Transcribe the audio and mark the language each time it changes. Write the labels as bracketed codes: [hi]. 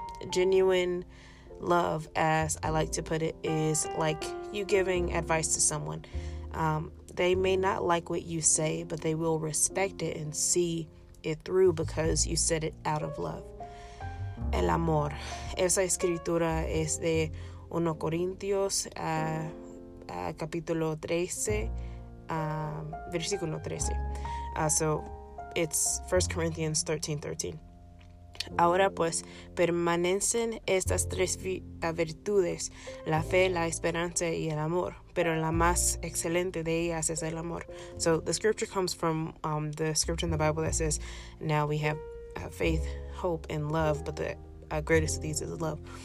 [en] Genuine love, as I like to put it, is like you giving advice to someone. They may not like what you say, but they will respect it and see it through because you said it out of love. [es] El amor. Esa escritura es de 1 Corintios, capítulo 13, versículo 13. [en] So it's 1 Corinthians 13:13. [es] Ahora pues, permanecen estas tres virtudes, la fe, la esperanza y el amor. Pero la más excelente de ellas es el amor. [en] So the scripture comes from the scripture in the Bible that says, now we have faith, hope, and love, but the greatest of these is love.